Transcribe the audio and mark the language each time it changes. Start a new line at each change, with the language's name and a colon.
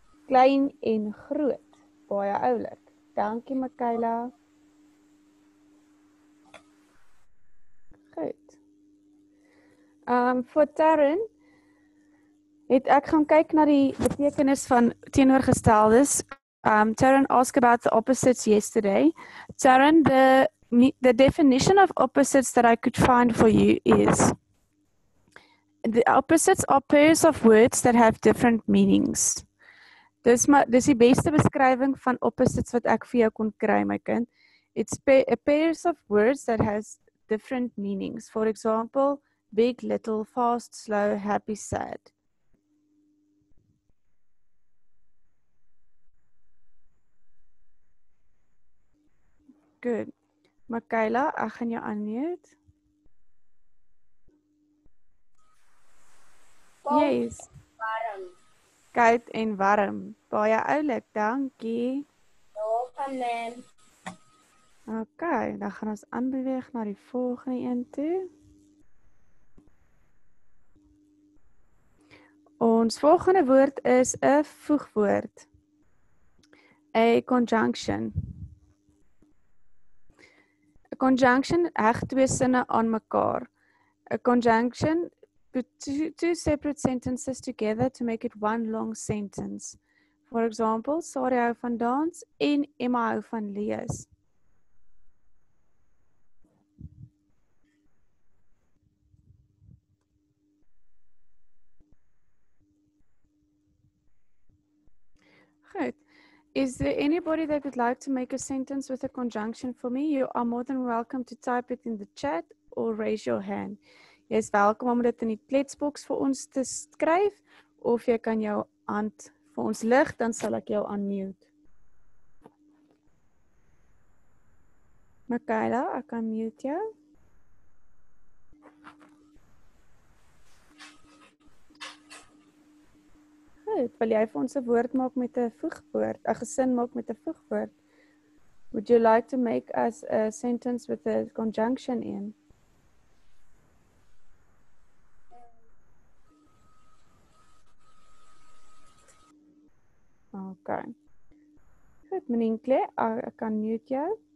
Afrikaans: Klein en groot. Baie oulik. Dankie, Makayla. Goed. Voor Taryn, het ek gaan kyk na die betekenis van teenoorgesteldes.
English: Taryn asked about the opposites yesterday. Taryn, the definition of opposites that I could find for you is... The opposites are pairs of words that have different meanings.
Afrikaans: Dis die beste beskrywing van opposites wat ek vir jou kon kry, my kind.
English: It's pairs of words that has different meanings. For example, big, little, fast, slow, happy, sad.
Afrikaans: Good. Makayla, ek gaan jou unmute. Yes. Koud en warm. Baie oulik, dankie. Welkom, man. Ok, dan gaan ons aanbeweeg na die volgende een toe. Ons volgende woord is 'n voegwoord.
English: A conjunction.
Afrikaans: A conjunction heg twee sinne aan mekaar.
English: A conjunction... Put two separate sentences together to make it one long sentence. For example,
Afrikaans: Sari hou van dans en Emma hou van lees. Goed.
English: Is there anybody that would like to make a sentence with a conjunction for me? You are more than welcome to type it in the chat or raise your hand.
Afrikaans: Jy is welkom om dit in die kletsbox vir ons te skryf, of jy kan jou hand vir ons lig, dan sal ek jou unmute. Makayla, ek kan mute jou. Goed, wil jy vir ons 'n woord maak met 'n voegwoord, 'n gesin maak met 'n voegwoord?
English: Would you like to make us a sentence with a conjunction in?
Afrikaans: Ok. Goed, meneenkle, ek kan mute jou.